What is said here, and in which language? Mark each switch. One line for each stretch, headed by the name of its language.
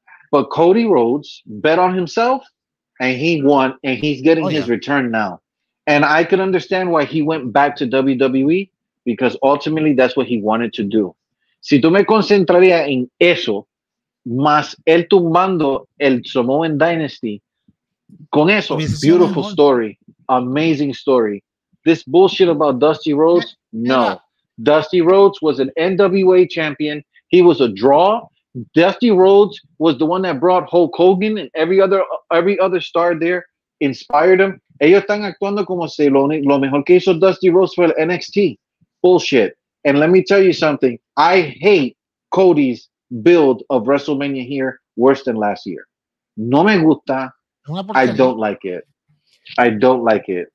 English: But Cody Rhodes bet on himself, and he won, and he's getting his return now. And I can understand why he went back to WWE, because ultimately that's what he wanted to do.
Spanish: Si tú me concentraría en eso, más él tumbando el Samoan Dynasty, con eso,
English: beautiful story. Amazing story. This bullshit about Dusty Rhodes? No. Dusty Rhodes was an NWA champion. He was a draw. Dusty Rhodes was the one that brought Hulk Hogan and every other star there, inspired him.
Spanish: Ellos están actuando como si lo mejor que hizo Dusty Rhodes fue el NXT.
English: Bullshit. And let me tell you something. I hate Cody's build of WrestleMania here worse than last year.
Spanish: No me gusta.
English: I don't like it. I don't like it.